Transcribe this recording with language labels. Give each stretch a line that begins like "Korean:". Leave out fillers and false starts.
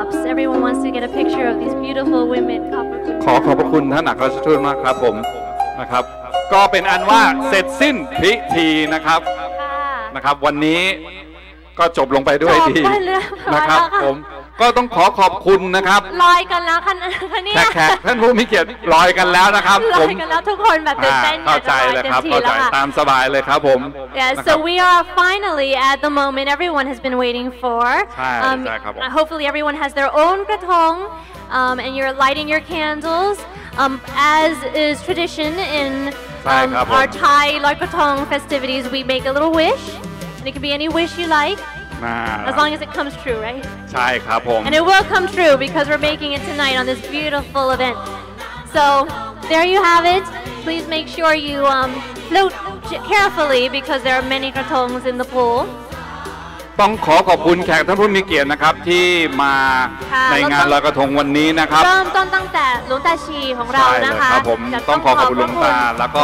English: Everyone wants to get a picture of these beautiful women.
Thai: ขอขอบคุณท่านอัครราชทูตมากครับผมนะครับก็เป็นอันว่าเสร็จสิ้นพิธีนะครับนะครับวันนี้ก็จบลงไปด้วยดีนะครับผมก็ต้องขอขอบคุณนะครับ ลอยกันแล้วคันนี้ แขกท่านผู้มีเกียรติลอยกันแล้วนะครับ ลอยกันแล้วทุกคนแบบเต้น เข้าใจเลยครับเข้าใจตามสบายเลยครับผม
English: Yeah so we are finally at the moment everyone has been waiting for hopefully everyone has their own กระทง and you're lighting your candles as is tradition in our Thai ลอยกระทง festivities we make a little wish and it can be any wish you likeAs long as it comes true, right?
Thai: ใช่ครับผม
English: And it will come true because we're making it tonight on this beautiful event. So there you have it. Please make sure you float carefully because there are many gratongs in the pool.
Thai: ต้องขอขอบคุณแขกท่านผู้มีเกียรตินะครับที่มาในงานลอยกระทงวันนี้นะครับ เริ่มต้นตั้งแต่หลวงตาชีของเรานะคะ ใช่ครับผมต้องขอขอบคุณหลวงตาแล้วก็